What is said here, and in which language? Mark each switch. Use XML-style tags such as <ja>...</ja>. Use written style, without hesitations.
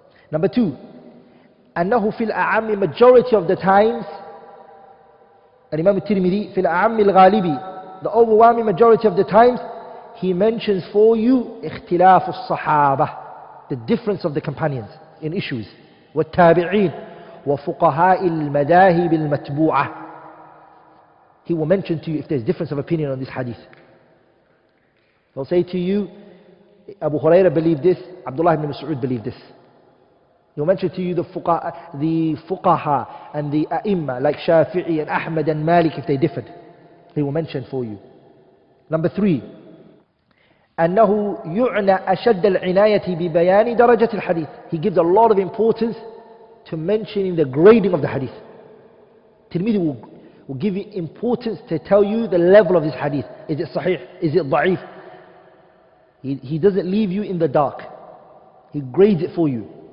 <en>Number two,</en> <ar>أنه في الأعم,</ar> <en>majority of the times, Al-Imam al-Tirmidhi,</en> <ar>في الأعم الغالبي,</ar> <en>the overwhelming majority of the times, he mentions for you,</en> <ar>اختلاف الصحابة,</ar> <en>the difference of the companions in issues.</en> <ar>والتابعين وفقهاء المذاهب المتبوعة.</ar> <en>He will mention to you if there's difference of opinion on this hadith. He'll say to you, Abu Huraira believed this, Abdullah ibn Mas'ud believed this. He'll mention to you the fuqaha and the a'imma, like Shafi'i and Ahmad and Malik, if they differed. He will mention for you. Number three,</en> <ar>أنه يعنى أشد العناية ببيان درجة الحديث.</ar> <en>He gives a lot of importance to mentioning the grading of the hadith. Tirmidhi will give you importance to tell you the level of this hadith. Is it sahih? Is it da'if? He doesn't leave you in the dark. He grades it for you.</en>